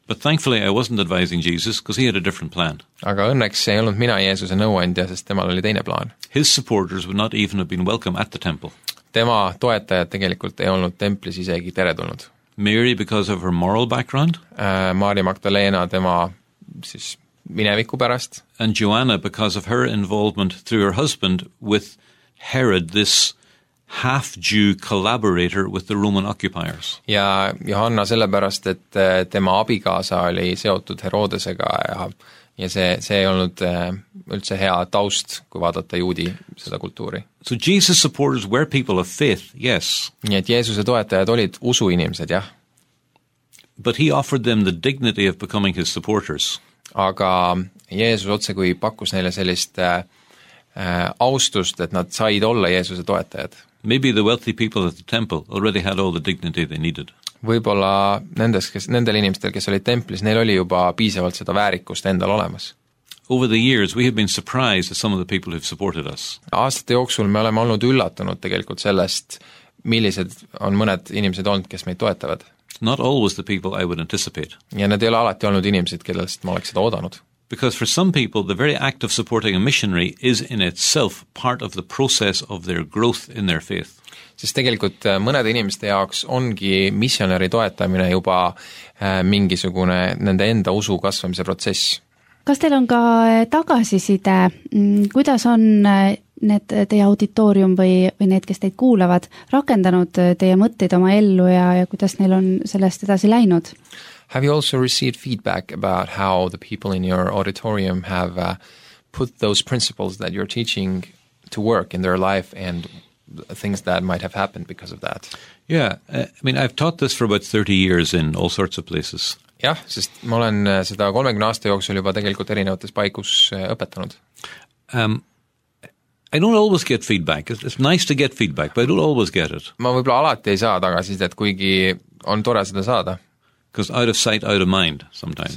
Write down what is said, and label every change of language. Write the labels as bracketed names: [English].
[English] But thankfully I wasn't advising Jesus, because he had a different plan. [Estonian] Aga õnneks ei olnud mina Jeesuse nõuandja, sest temal oli teine plaan. [English] His supporters would not even have been welcome at the temple. [Estonian] Tema toetajad tegelikult ei olnud templis isegi teretulnud. [English] Mary because of her moral background. [Estonian] Maria Magdalena tema siis mineviku pärast. [English] And Joanna because of her involvement through her husband with Herod, this half-Jew collaborator with the Roman occupiers. [Estonian] Ja Johanna sellepärast, et tema abikaasa oli seotud Herodesega ja see ei olnud üldse hea taust, kui vaadata juudi seda kultuuri. [English] So Jesus supporters were people of faith, yes. [Estonian] Nii et Jeesuse toetajad olid usu inimesed, jah. [English] But he offered them the dignity of becoming his supporters. [Estonian] Aga Jeesus otse kui pakkus neile sellist austust, et nad said olla Jeesuse toetajad. [English] Maybe the wealthy people at the temple already had all the dignity they needed. [Estonian] Võibolla nendel inimestel, kes olid templis, neil oli juba piisavalt seda väärikust endal olemas. [English] Over the years we have been surprised at some of the people who have supported us. [Estonian] Aastate jooksul me oleme olnud üllatunud tegelikult sellest, millised on mõned inimesed olnud, kes meid toetavad. [English] Not always the people I would anticipate. [Estonian] Ja need ei ole alati olnud inimesed, kellest ma oleks seda oodanud. [English] Because for some people, the very act of supporting a missionary is in itself part of the process of their growth in their faith. [Estonian] Sest tegelikult mõned inimeste jaoks ongi missionäri toetamine juba mingisugune nende enda usu kasvamise protsess. Kas teil on ka tagasiside, kuidas on need teie auditorium või need, kes teid kuulavad, rakendanud teie mõtteid oma ellu ja kuidas neil on sellest edasi läinud? [English] Have you also received feedback about how the people in your auditorium have put those principles that you're teaching to work in their life and things that might have happened because of that? Yeah, I mean, I've taught this for about 30 years in all sorts of places. [Estonian] Jah, sest ma olen seda 30 aasta jooksul juba tegelikult erinevates paikus õpetanud. [English] I don't always get feedback. It's nice to get feedback, but I don't always get it. [Estonian] Ma võib-olla alati ei saa tagasisidet, kuigi on tore seda saada. [English] Because out of sight, out of mind sometimes.